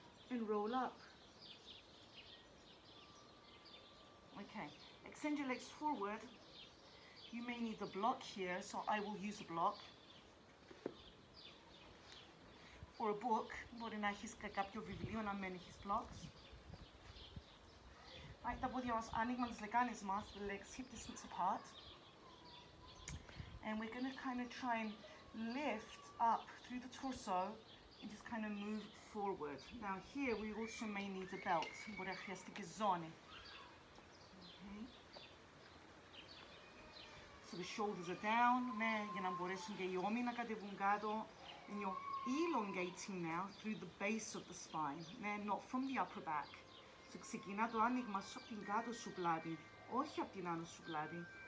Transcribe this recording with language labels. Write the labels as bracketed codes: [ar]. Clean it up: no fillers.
[en] And roll up. Okay, extend your legs forward. You may need the block here, so I will use a block. Or a book. [el] Μπορεί να έχεις κάποιο βιβλίο να μην έχεις blocks. Right, τα πόδια μας άνοιγμα της λεκάνης μας, [en] the legs hip distance apart. And we're going to kind of try and lift up through the torso and just kind of move forward. Now here we also may need a belt. [el] Μπορεί να χρειαστεί και ζώνη. [en] So the shoulders are down, [el] για να μπορέσουν και οι ώμοι να κατεβούν κάτω. [en] And you're elongating now through the base of the spine, not from the upper back. [el] So ξεκινά το άνοιγμα σου από την κάτω σου πλάτη, όχι από την άνω σου πλάτη.